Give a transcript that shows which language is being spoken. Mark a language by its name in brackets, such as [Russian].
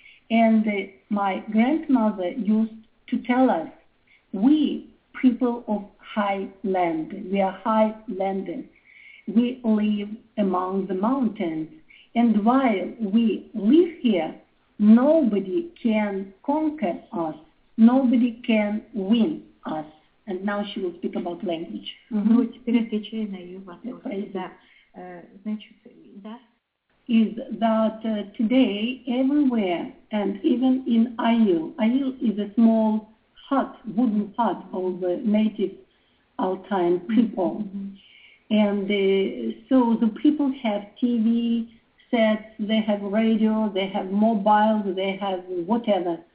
[English] And my grandmother used to tell us, we people of high land, we are highlanders. We live among the mountains. And while we live here, nobody can conquer us. Nobody can win us. And now she will speak about language. [Russian] Ну, теперь отвечаю на ее вопрос. Да. Значит, да. [English] Is that today everywhere, and even in Aiel. Aiel is a small hut, wooden hut of the native Altaian people. And so the people have TV sets, they have radio, they have mobiles, they have whatever.